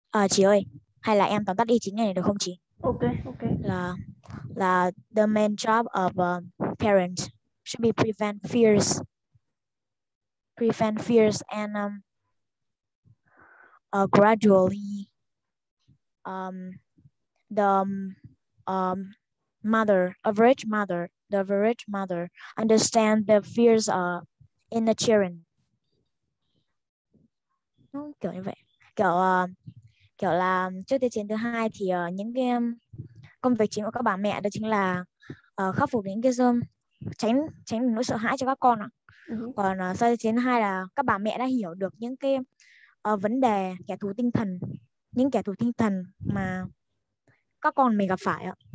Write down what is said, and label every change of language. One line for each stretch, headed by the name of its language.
Vietnamese: Chị ơi, hay là em tóm tắt ý chính này được không chị? Ok.
English: Là the main job of parents should be prevent fears and gradually the average mother understand the fears in the children.
Vietnamese: Kiểu như vậy. Kiểu là trước tiên chiến thứ hai thì những cái công việc chính của các bà mẹ đó chính là khắc phục những cái tránh tránh nỗi sợ hãi cho các con ạ. Còn sau tiên chiến thứ hai là các bà mẹ đã hiểu được những cái vấn đề kẻ thù tinh thần, những kẻ thù tinh thần mà các con mình gặp phải ạ.